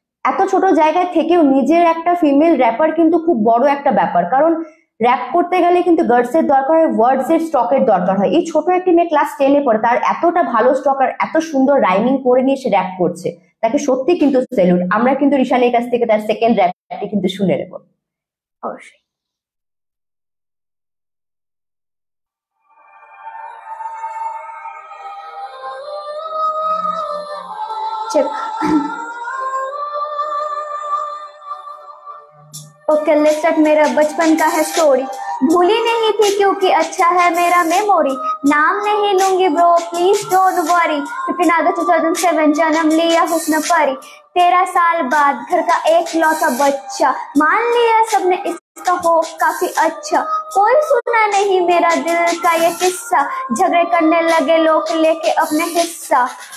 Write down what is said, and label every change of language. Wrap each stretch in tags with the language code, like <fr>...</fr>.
<bn>এত ছোট জায়গায় থেকেও নিজের একটা ফিমেল র্যাপার কিন্তু খুব বড় একটা ব্যাপার, কারণ র্যাপ করতে গেলে কিন্তু গার্লসের দরকার হয়, ওয়ার্ডসের স্টকের দরকার হয়। এই ছোট একটি মেয়ে ক্লাস 10-এ পড়ে, তার এতটা ভালো স্টকার, এত সুন্দর রাইমিং করে নিয়ে সে র্যাপ করছে, তাকে সত্যি কিন্তু স্যালুট। আমরা কিন্তু ঈশানীর কাছ থেকে তার সেকেন্ড র্যাপটি কিন্তু শুনে নেব। অবশ্যই</bn> <en>Okay, let's start.</en> <hi>मेरा बचपन का है स्टोरी, भूली नहीं थी क्योंकि अच्छा है मेरा मेमोरी, नाम नहीं लूंगी</hi> <en>bro please don't worry,</en> <hi>15 अगस्त 2007 जन्म लिया हुस्न परी, 13 साल बाद घर का एक लौता बच्चा, मान लिया सबने इसका हो काफी अच्छा, कोई सुना नहीं मेरा दिल का ये किस्सा, झगड़े करने लगे लोग लेके अपने हिस्सा,</hi>